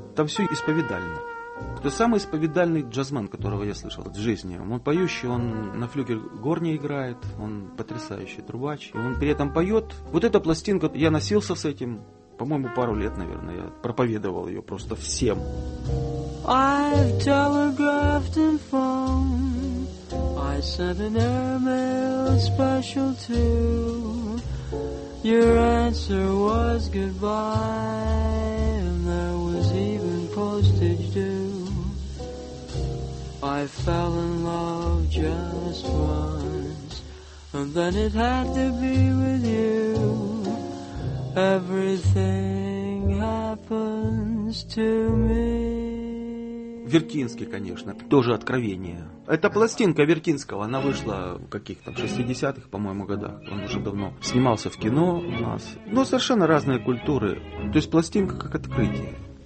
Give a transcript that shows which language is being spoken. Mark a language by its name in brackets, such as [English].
[Russian] Там все исповедально. Это самый исповедальный джазмен, которого я слышал в жизни. Он поющий, он на флюгельгорне играет. Он потрясающий трубач. И он при этом поет. Вот эта пластинка, я носился с этим. По-моему, пару лет, наверное, я проповедовал ее просто всем. [English] I've telegraphed and phoned. I sent an airmail special too. Your answer was goodbye. And there was even postage due. I fell in love just once, and then it had to be with you. Everything happens to me. [Russian] Веркинский, конечно, тоже откровение. Это пластинка Веркинского, она вышла в каких-то 60-х, по-моему, годах. Он уже давно снимался в кино у нас. Но совершенно разные культуры. То есть пластинка как открытие.